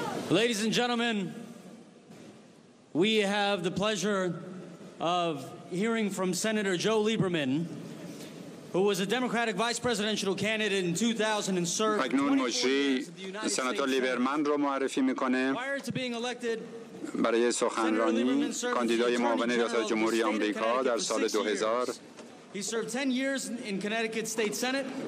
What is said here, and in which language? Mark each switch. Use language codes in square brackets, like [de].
[en] Ladies and gentlemen, we have the pleasure of hearing from Senator Joe Lieberman, who was a Democratic vice presidential candidate in 2000 and served 24 years in the United [fa] Senator Lieberman رو معرفی میکنه. [en] Prior to being elected, [fa] برای سخنرانی کاندیدای معاون ریاست جمهوری آمریکا در سال 2000. [en] He served 10 years in Connecticut State Senate.